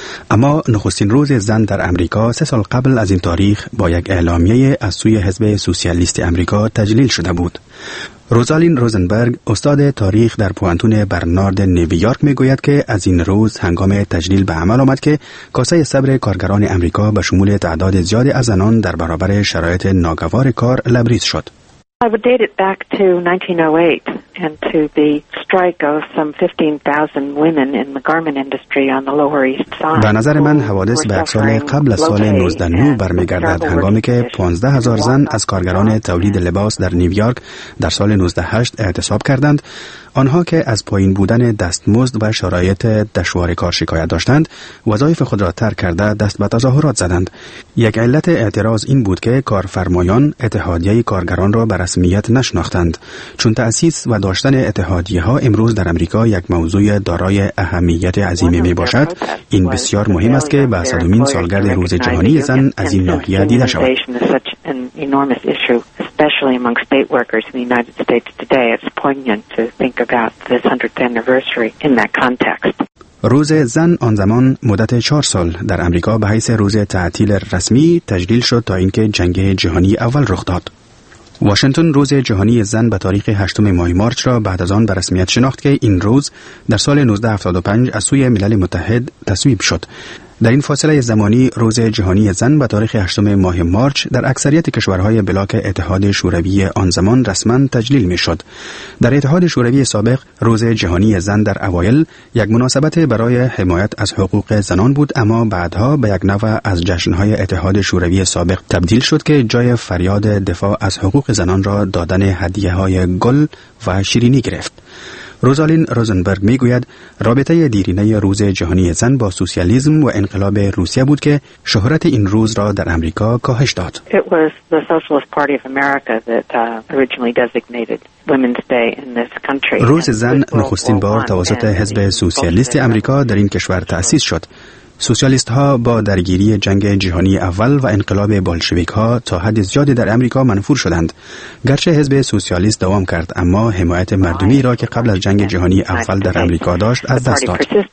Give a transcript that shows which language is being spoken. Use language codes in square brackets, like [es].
[fa] اما نخستین روز زن در آمریکا 3 سال قبل از این تاریخ با یک اعلامیه از سوی حزب سوسیالیست آمریکا تجلیل شده بود. روزالین روزنبرگ، استاد تاریخ در پوانتون برنارد نیویورک، میگوید که از این روز هنگام تجلیل به عمل آمد که کاسه صبر کارگران آمریکا به شمول تعداد زیادی از زنان در برابر شرایط ناگوار کار لبریز شد. [en] I would date it back to 1908 and to the strike of some 15,000 women in the garment industry on the Lower East Side. [fa] به نظر من حوادث به سال قبل از سال 1909 برمیگردد، هنگامی که 15,000 زن از کارگران تولید لباس در نیویورک در سال 1908 اعتصاب کردند. آنها که از پایین بودن دستمزد و شرایط دشوار کار شکایت داشتند، وظایف خود را ترک کرده دست به تظاهرات زدند. یک علت اعتراض این بود که کارفرمایان اتحادیه کارگران را به رسمیت نشناختند. چون تأسیس و داشتن اتحادیه ها امروز در آمریکا یک موضوع دارای اهمیت عظیمی می باشد، این بسیار مهم است که به 100مین سالگرد روز جهانی زن از این ناحیه دیده شود. [en] Especially among state workers in the United States today, it's poignant to think about this 100th anniversary in that context. [fa] روز زن آن زمان مدت 4 سال در آمریکا به حیث روز تعطیل رسمی تجلیل شد تا اینکه جنگ جهانی اول رخ داد. واشنگتن روز جهانی زن به تاریخ 8 ماه مارس را بعد از آن به رسمیت شناخت که این روز در سال 1975 از سوی ملل متحد تصویب شد. در این فاصله زمانی روز جهانی زن به تاریخ 8 ماه مارس در اکثریت کشورهای بلاک اتحاد شوروی آن زمان رسما تجلیل می شد. در اتحاد شوروی سابق روز جهانی زن در اوایل یک مناسبت برای حمایت از حقوق زنان بود، اما بعدها به یک نوع از جشنهای اتحاد شوروی سابق تبدیل شد که جای فریاد دفاع از حقوق زنان را دادن هدیه های گل و شیرینی گرفت. روزالین روزنبرگ می گوید رابطه دیرینه روز جهانی زن با سوسیالیسم و انقلاب روسیه بود که شهرت این روز را در آمریکا کاهش داد. [en] It was the Socialist Party of America that originally designated Women's Day in this country. [fa] روز زن نخستین بار توسط حزب سوسیالیست آمریکا در این کشور تأسیس شد. سوسیالیست ها با درگیری جنگ جهانی اول و انقلاب بلشویک ها تا حد زیادی در امریکا منفور شدند. گرچه حزب سوسیالیست دوام کرد، اما حمایت مردمی را که قبل از جنگ جهانی اول در امریکا داشت از دست داد.